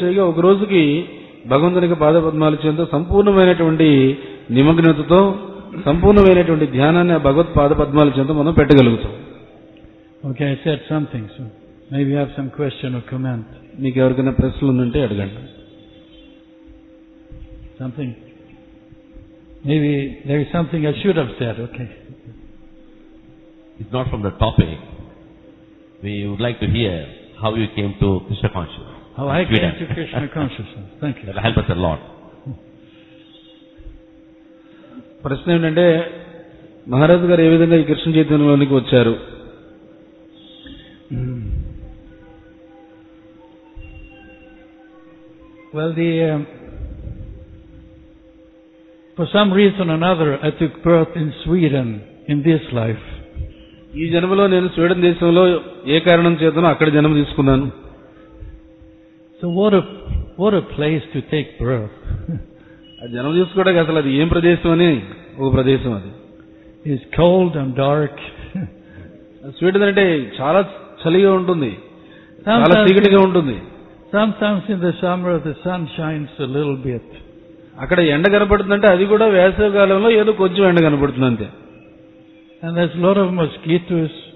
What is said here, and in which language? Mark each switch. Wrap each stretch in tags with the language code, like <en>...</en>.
<te>ఒక రోజుకి భగవంతునికి పాద పద్మాలు చేయడంతో సంపూర్ణమైనటువంటి నిమగ్నతతో సంపూర్ణమైనటువంటి ధ్యానాన్ని ఆ భగవత్ పాద పద్మాలు చేయడంతో మనం పెట్టగలుగుతాం.</te> <en>Okay, I said something, so maybe you have some question or comment.</en> <te>మీకు ఎవరికైనా ప్రశ్నలు ఉంటే అడగండి.</te> <en>Something, maybe there is something I should have said. Okay, it's not from the topic. We would like to hear how you came to Krishna consciousness. How I came to Krishna consciousness. Thank you. That helped us a lot.</en> <te>ప్రశ్న ఏంటంటే, మహారాజ్ గారు ఏ విధంగా ఈ కృష్ణ చైతన్యంలోనికి వచ్చారు?</te> <en>Well, for some reason or another, I took birth in Sweden in this life.</en> <te>ఈ జన్మలో నేను Sweden దేశంలో ఏ కారణం చేతనో అక్కడ జన్మ తీసుకున్నాను.</te> <en>So what a place to take birth.</en> <te>ఆ జన్మ తీసుకోవడానికి అసలు అది ఏం ప్రదేశం అని ఒక ప్రదేశం అది.</te> <en>It's cold and dark.</en> <te>Sweden అంటే చాలా చలిగా ఉంటుంది, చాలా చీకటిగా ఉంటుంది.</te> <en>Sometimes in the summer the sun shines a little bit.</en> <te>అక్కడ ఎండ కనబడుతుందంటే అది కూడా వేసవి కాలంలో ఏదో కొంచెం ఎండ కనబడుతుంది అంతే.</te> <en>And there's a lot of mosquitoes.</en>